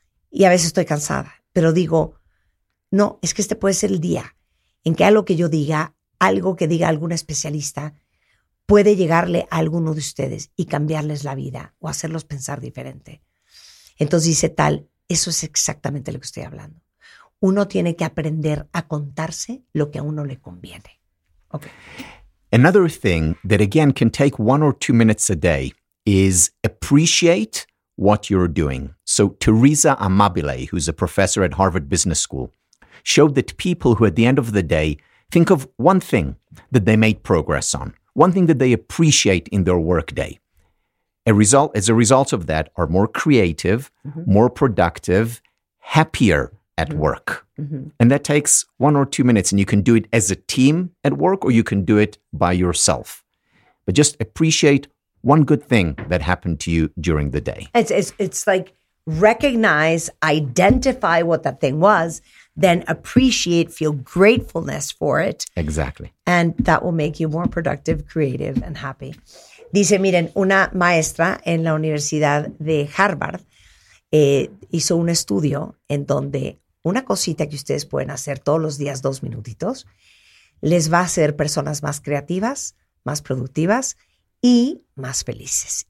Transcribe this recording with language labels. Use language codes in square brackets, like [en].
[es] Y a veces estoy cansada. Pero digo, no, es que este puede ser el día en que algo que yo diga, algo que diga algún especialista, puede llegarle a alguno de ustedes y cambiarles la vida o hacerlos pensar diferente. Entonces dice tal, eso es exactamente lo que estoy hablando. Uno tiene que aprender a contarse lo que a uno le conviene. [en] Okay. Another thing that again can take 1 or 2 minutes a day is appreciate what you're doing. So Teresa Amabile, who's a professor at Harvard Business School, showed that people who at the end of the day think of one thing that they made progress on, one thing that they appreciate in their workday. As a result of that are more creative, more productive, happier at work. And that takes 1 or 2 minutes, and you can do it as a team at work or you can do it by yourself. But just appreciate one good thing that happened to you during the day. It's like recognize, identify what that thing was, then appreciate, feel gratefulness for it. Exactly. And that will make you more productive, creative, and happy. [es] Dice, miren, una maestra en la Universidad de Harvard hizo un estudio en donde una cosita que ustedes pueden hacer todos los días 2 minutitos les va a hacer personas más creativas, más productivas y más felices.